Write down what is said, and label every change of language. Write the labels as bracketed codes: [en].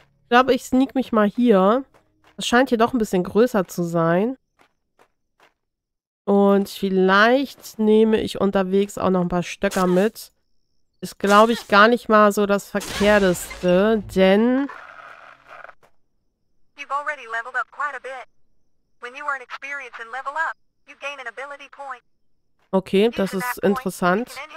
[de] Ich glaube, ich sneak mich mal hier. Das scheint hier doch ein bisschen größer zu sein. Und vielleicht nehme ich unterwegs auch noch ein paar Stöcker mit. Ist, glaube ich, gar nicht mal so das Verkehrteste, denn... [en] You've already leveled up quite a bit. When you earn experience and level up, you gain an ability point. [de] Okay, das ist interessant.